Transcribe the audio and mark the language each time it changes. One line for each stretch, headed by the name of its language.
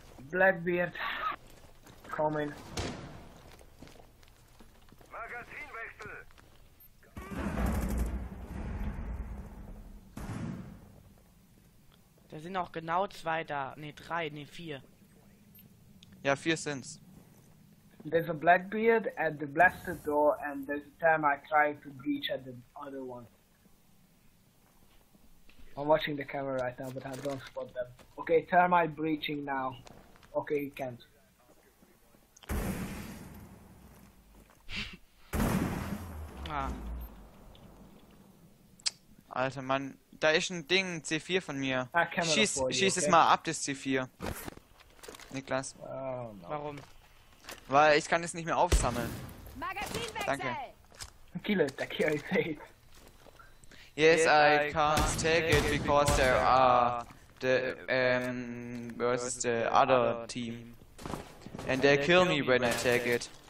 English: Blackbeard. Coming.
German: Da sind auch genau zwei da. Ne, drei, ne, vier. Ja, vier sind's.
English: There's a Blackbeard at the blasted door and there's a termite trying to breach at the other one. I'm watching the camera right now, but I don't spot them. Okay, termite breaching now. Okay, he can't. Ah.
German: Alter, man, da ist ein Ding, C4 von mir. Schieß es mal ab, das C4. Niklas.
English: Oh, no.
German: Warum? Weil ich kann es nicht mehr aufsammeln. Danke.
English: Kill it, I can't take it. Yes, I can't take it because there are the versus the other team. And they kill me when I take it.